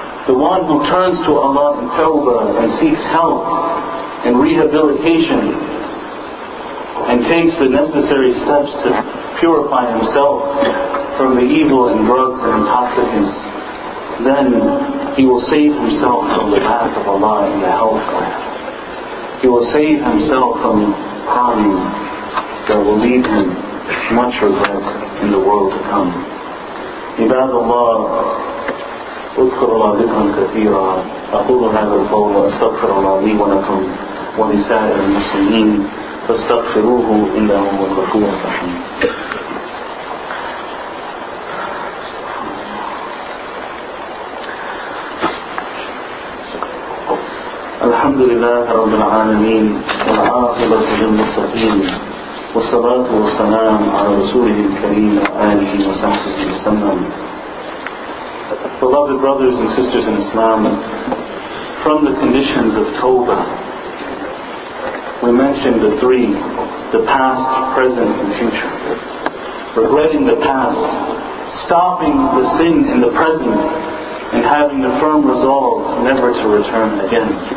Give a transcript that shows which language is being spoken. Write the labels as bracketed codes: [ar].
[en] The one who turns to Allah in Tawbah and seeks help and rehabilitation and takes the necessary steps to purify himself from the evil and drugs and intoxicants, then he will save himself from the wrath of Allah in the hellfire. He will save himself from harm that will lead him much regret in the world to come. [ar] Ibadullah, اذكروا الله ذكرا كثيرا اقول هذا القول واستغفر الله لي ولكم ولسائر المسلمين فاستغفروه انه هو الغفور الرحيم. الحمد لله رب العالمين والعاقبة للمتقين والصلاة والسلام على رسوله الكريم وآله وصحبه وسلم. [en] Beloved brothers and sisters in Islam, from the conditions of Tawbah, we mentioned the three, the past, present, and future. Regretting the past, stopping the sin in the present, and having the firm resolve never to return again.